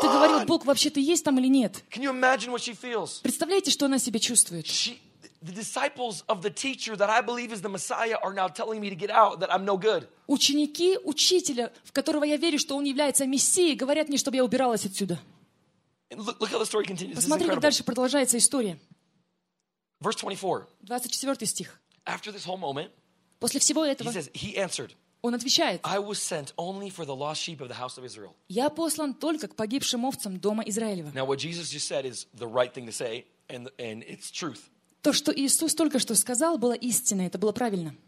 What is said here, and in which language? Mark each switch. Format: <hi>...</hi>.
<ru>Ты говорил, Бог, вообще ты есть там или нет?</ru> <en>Can you imagine what she feels?</en> <ru>Представляете, что она себе чувствует?</ru> <en>The disciples of the teacher that I believe is the Messiah are now telling me to get out, that I'm no good.</en> <ru>Ученики учителя, в которого я верю, что он является мессией, говорят мне, чтобы я убиралась отсюда.</ru> <en>Look how the story continues.</en> <ru>Посмотри, как дальше продолжается история.</ru> <en>Verse 24.</en> <ru>24 стих.</ru> <en>After this whole moment,</en> <ru>после всего этого,</ru> <en>he says, he answered,</en> <ru>он отвечает,</ru> <en>I was sent only for the lost sheep of the house of Israel.</en> <ru>Я послан только к погибшим овцам дома Израилева.</ru> <en>Now what Jesus just said is the right thing to say, and it's truth.</en> <ru>То, что Иисус только что сказал, было истиной, это было правильно.</ru>